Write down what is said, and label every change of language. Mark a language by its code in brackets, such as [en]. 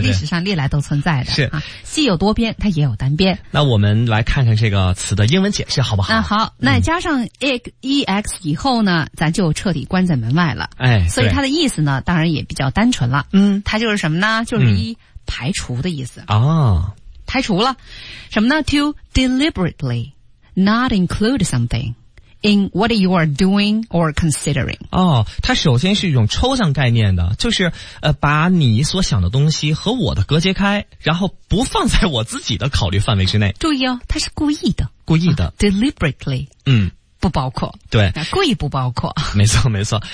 [zh] 历史上历来都存在的，是啊，戏有多边，它也有单边。那我们来看看这个词的英文解释，好不好？那好，那加上 ex 以后呢，咱就彻底关在门外了。哎，所以它的意思呢，当然也比较单纯了。嗯，它就是什么呢？就是一排除的意思啊、排除了什么呢 ？ [en] To deliberately not include something in what you are doing or considering. [zh] 哦，它首先是一种抽象概念的，就是把你所想的东西和我的隔绝开，然后不放在我自己的考虑范围之内。注意哦，它是故意的，故意的、 [en] deliberately。嗯。 [zh] 不包括，对，故意不包括，没错没错。